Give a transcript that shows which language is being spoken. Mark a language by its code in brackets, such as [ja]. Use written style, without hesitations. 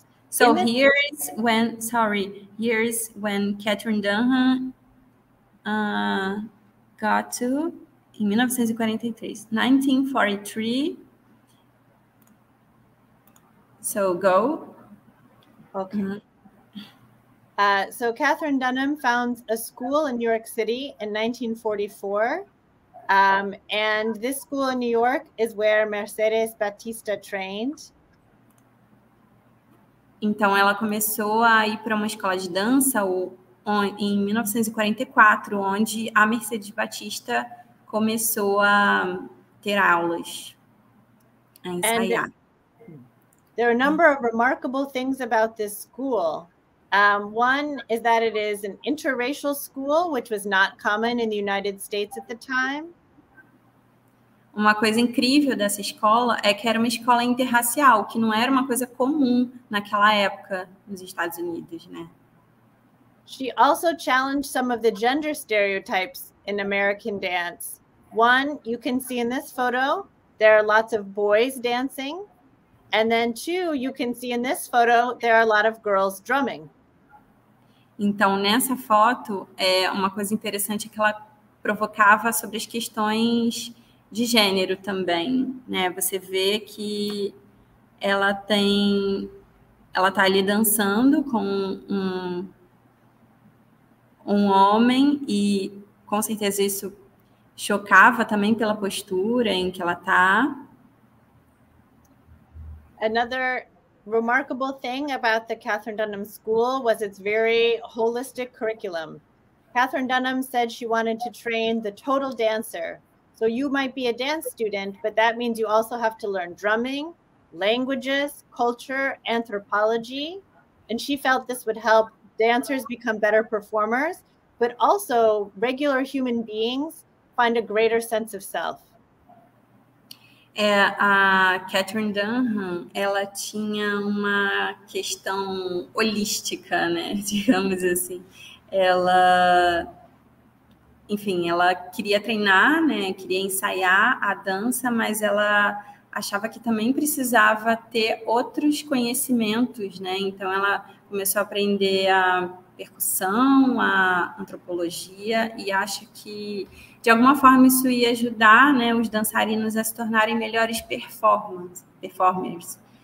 [en] So here is when Catherine Dunham got to, in 1943. So go. Okay. So Catherine Dunham founds a school in New York City in 1944. And this school in New York is where Mercedes Batista trained. [pt] Então ela começou a ir para uma escola de dança em 1944, onde a Mercedes Batista começou a ter aulas, a ensaiar. [en] And there are a number of remarkable things about this school. One is that it is an interracial school, which was not common in the United States at the time. [pt] Uma coisa incrível dessa escola é que era uma escola interracial, que não era uma coisa comum naquela época nos Estados Unidos, né? [en] She also challenged some of the gender stereotypes in American dance. One, you can see in this photo, there are lots of boys dancing. And then two, you can see in this photo, there are a lot of girls drumming. [pt] Então, nessa foto, uma coisa interessante que ela provocava sobre as questões de gênero também, né? Você vê que ela está ali dançando com um homem e, com certeza, isso chocava também pela postura em que ela está. [en] Another remarkable thing about the Catherine Dunham School was its very holistic curriculum. Catherine Dunham said she wanted to train the total dancer. So you might be a dance student, but that means you also have to learn drumming, languages, culture, anthropology. And she felt this would help dancers become better performers, but also regular human beings find a greater sense of self. [pt] A Catherine Dunham, ela tinha uma questão holística, né, digamos assim. Ela queria treinar, né, queria ensaiar a dança, mas ela achava que também precisava ter outros conhecimentos, né, então ela começou a aprender a percussão, a antropologia, e acha que de alguma forma isso ia ajudar, né, os dançarinos a se tornarem melhores performers.